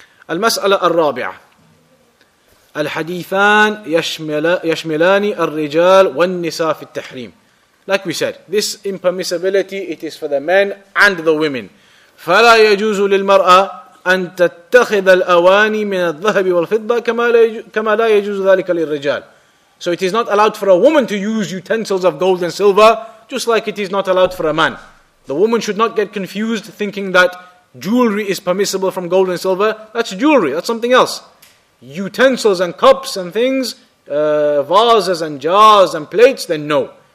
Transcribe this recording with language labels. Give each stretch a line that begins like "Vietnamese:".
Arabic: المسألة الرابعة الحديثان يشملان الرجال والنساء في التحريم.
English: Like we said, this impermissibility, it is for the men and the women.
Arabic: فلا يجوز للمرأة أن تتخذ الأواني من الذهب والفضة كما لا يجوز ذلك للرجال.
English: So it is not allowed for a woman to use utensils of gold and silver, just like it is not allowed for a man. The woman should not get confused thinking that jewelry is permissible from gold and silver. That's jewelry, that's something else. Utensils and cups and things, vases and jars and plates, then no.